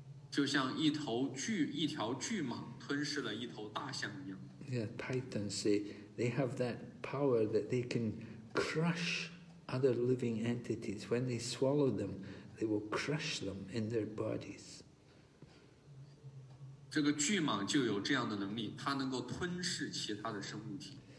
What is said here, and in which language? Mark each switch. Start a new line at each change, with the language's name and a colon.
Chinese: 就像一条巨蟒吞噬了一头大象一样。
English: Yeah, pythons say they have that power that they can crush other living entities. When they swallow them, they will crush them in their bodies.
Chinese: 这个巨蟒就有这样的能力，它能够吞噬其他的生物体。